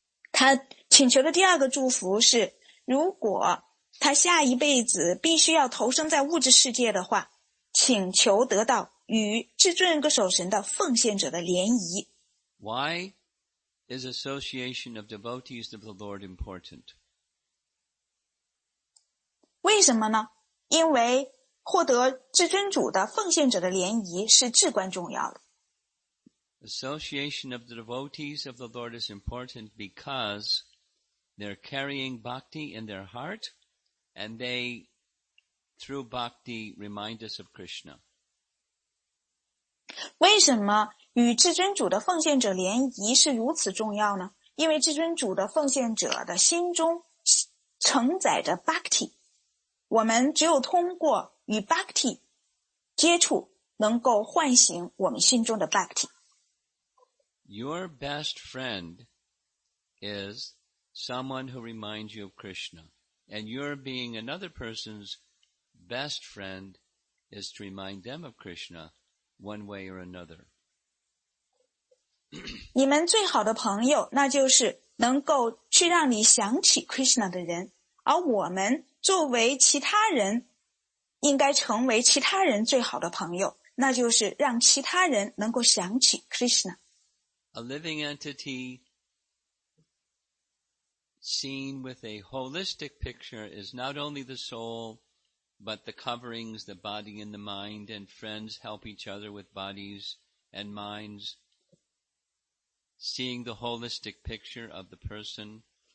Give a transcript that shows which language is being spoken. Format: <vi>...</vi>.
<zh>他请求的第二个祝福是，如果他下一辈子必须要投生在物质世界的话，请求得到与至尊人格守神的奉献者的联谊。</zh> <en>Why is association of devotees of the Lord important?</en> <zh>为什么呢？因为获得至尊主的奉献者的联谊是至关重要的。</zh> <en>Association of the devotees of the Lord is important because they're carrying bhakti in their heart and they, through bhakti, remind us of Krishna.</en> <zh>为什么与至尊主的奉献者联谊是如此重要呢？因为至尊主的奉献者的心中承载着 bhakti。我们只有通过与 bhakti 接触，能够唤醒我们心中的 bhakti。</zh> <en>Your best friend is someone who reminds you of Krishna. And your being another person's best friend is to remind them of Krishna one way or another.</en> <zh>你们最好的朋友，那就是能够去让你想起 Krishna 的人。而我们作为其他人，应该成为其他人最好的朋友，那就是让其他人能够想起 Krishna。</zh> <en>A living entity seen with a holistic picture is not only the soul, but the coverings, the body and the mind, and friends help each other with bodies and minds, seeing the holistic picture of the person.</en>